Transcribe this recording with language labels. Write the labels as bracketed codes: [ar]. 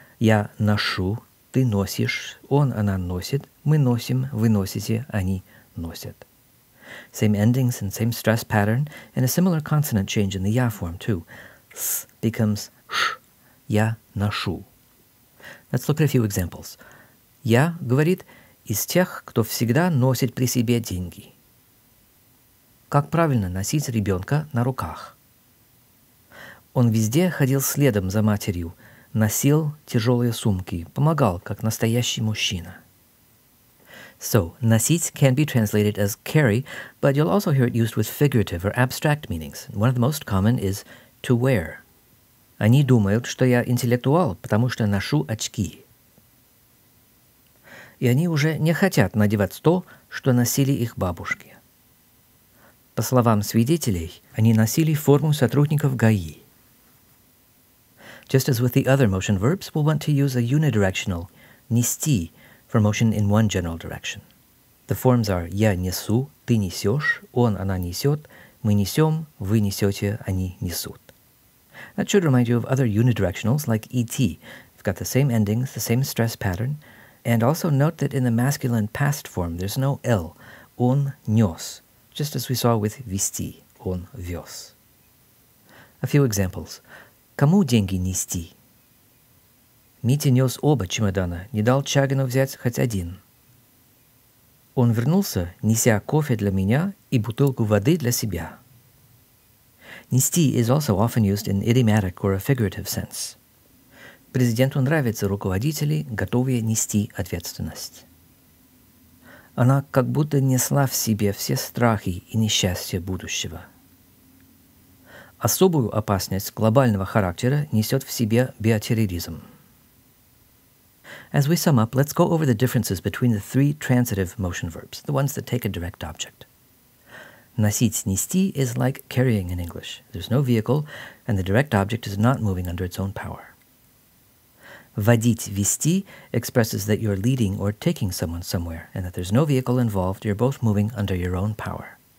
[ru] Я ношу, ты носишь, он, она носит, мы носим, вы носите, они носят. [en] Same endings and same stress pattern, and a similar consonant change in the ya form, too. С becomes ш. [ru] Я ношу. [en] Let's look at a few examples. [ru] Я, говорит, из тех, кто всегда носит при себе деньги. Как правильно носить ребенка на руках? Он везде ходил следом за матерью, носил тяжелые сумки, помогал, как настоящий мужчина. [en] So, носить can be translated as carry, but you'll also hear it used with figurative or abstract meanings. One of the most common is to wear. [ru] Они думают, что я интеллектуал, потому что ношу очки. И они уже не хотят надевать то, что носили их бабушки. По словам свидетелей, они носили форму сотрудников ГАИ. [en] Just as with the other motion verbs, we'll want to use a unidirectional, нести, for motion in one general direction. The forms are [ru] «я несу», «ты несешь», «он, она несет», «мы несем», «вы несете», «они несут». [en] That should remind you of other unidirectionals like «идти». We've got the same endings, the same stress pattern. And also note that in the masculine past form, there's no «л». [ru] «Он нес», [en] just as we saw with «вести», [ru] «он вез». [en] A few examples. [ru] «Кому деньги нести?» Митя нес оба чемодана, не дал Чагину взять хоть один. Он вернулся, неся кофе для меня и бутылку воды для себя. [en] Нести is also often used in idiomatic or a figurative sense. [ru] Президенту нравятся руководители, готовые нести ответственность. Она как будто несла в себе все страхи и несчастья будущего. Особую опасность глобального характера несет в себе биотерроризм. [en] As we sum up, let's go over the differences between the three transitive motion verbs, the ones that take a direct object. Носить, нести is like carrying in English. There's no vehicle, and the direct object is not moving under its own power. Водить, вести expresses that you're leading or taking someone somewhere, and that there's no vehicle involved, you're both moving under your own power.